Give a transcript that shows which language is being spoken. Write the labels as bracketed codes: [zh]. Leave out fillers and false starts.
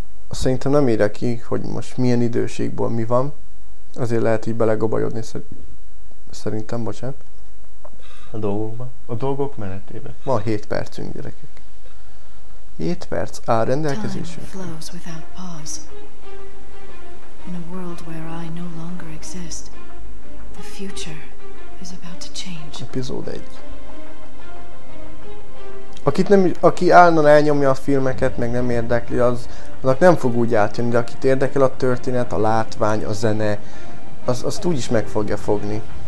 [hu] Szerintem nem írja ki, hogy most milyen időségből mi van. Azért lehet így belegobajodni szerintem, bocsánat. A dolgokban. A dolgok menetében. Van 7 percünk, gyerekek. 7 perc áll rendelkezésünk. [en] Time flows without pause. In a world where I no longer exist, the future is about to change. [hu] Epizód 1. Akit nem, aki állandóan elnyomja a filmeket, meg nem érdekli, az annak nem fog úgy átjönni, de akit érdekel a történet, a látvány, a zene, azt úgyis meg fogja fogni.